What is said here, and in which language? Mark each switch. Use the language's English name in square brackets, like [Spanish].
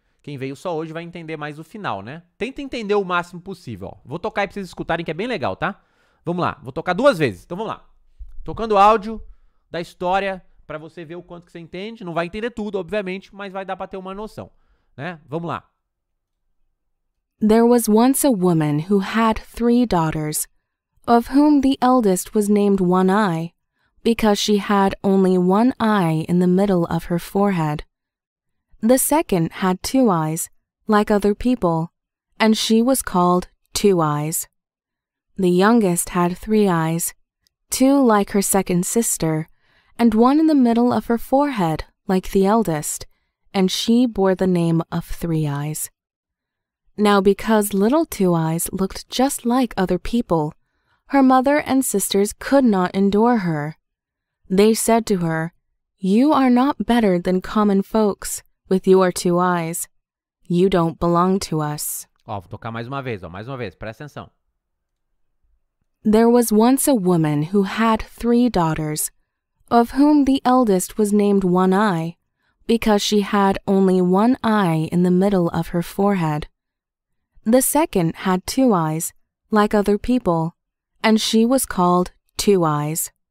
[Portuguese] Quem veio só hoje vai entender mais o final, né? Tenta entender o máximo possível, ó. Vou tocar aí pra vocês escutarem que é bem legal, tá? Vamos lá, vou tocar duas vezes. Então vamos lá. Tocando o áudio da história pra você ver o quanto que você entende. Não vai entender tudo, obviamente, mas vai dar pra ter uma noção, né? Vamos lá. [English] There was once a woman who had three daughters, of whom the eldest was named One Eye, because she had only one eye in the middle of her forehead. The second had two eyes, like other people, and she was called Two Eyes. The youngest had three eyes, two like her second sister, and one in the middle of her forehead, like the eldest, and she bore the name of Three Eyes. Now because little Two Eyes looked just like other people, her mother and sisters could not endure her. They said to her, "You are not better than common folks with your two eyes. You don't belong to us." [Portuguese] Ó, vou tocar mais uma vez, ó, mais uma vez, presta atenção. [English] There was once a woman who had three daughters, of whom the eldest was named One Eye, because she had only one eye in the middle of her forehead. The second had two eyes, like other people, and she was called Two Eyes.